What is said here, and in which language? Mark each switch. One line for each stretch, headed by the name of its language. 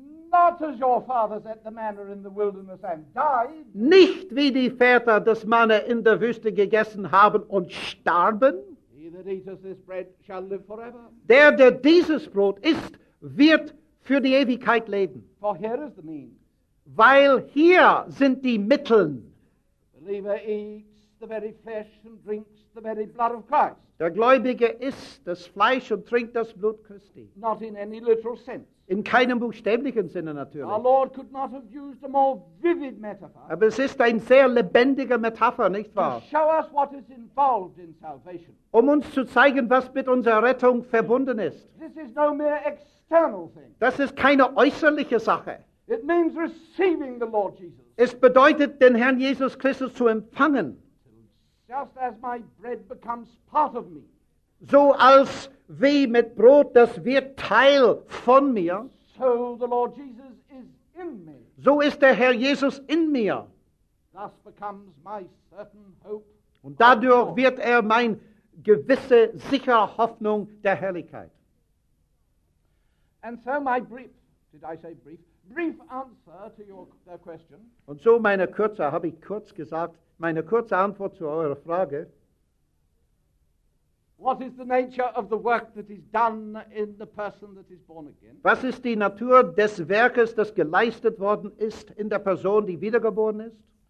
English: Not as your fathers ate the manna in the wilderness and died.
German: Nicht wie die Väter das Manna in der Wüste gegessen haben und starben.
English: He that eateth this bread shall live forever.
German: Der dieses Brot isst, wird für die Ewigkeit leben.
English: For here is the means.
German: weil hier sind die Mitteln.
English: The believer eats the very flesh and drinks the very blood of Christ.
German: Der Gläubige isst das Fleisch und trinkt das Blut Christi.
English: Not in any literal sense.
German: In keinem buchstäblichen Sinne natürlich.
English: Our Lord could not have used a more vivid metaphor.
German: Aber es ist ein sehr lebendiger Metapher, nicht wahr?
English: To show us what is involved in salvation.
German: Um uns zu zeigen, was mit unserer Rettung verbunden ist.
English: This is no mere external thing.
German: Das ist keine äußerliche Sache.
English: It means receiving the Lord Jesus.
German: Es bedeutet, den Herrn Jesus Christus zu empfangen.
English: Just as my bread becomes part of me.
German: So als wie mit Brot, das wird Teil von mir.
English: So, the Lord Jesus is in me.
German: So ist der Herr Jesus in mir.
English: Thus becomes my certain hope.
German: Und dadurch wird er meine gewisse, sichere Hoffnung der Herrlichkeit.
English: And so my brief, did I say brief? Brief answer to your question.
German: Und so meine kurze, habe ich kurz gesagt, meine kurze Antwort zu eurer Frage.
English: What is the nature of the work that is done in the person that is born again?
German: Was ist die Natur des Werkes, das geleistet worden ist in der Person, die wiedergeboren ist?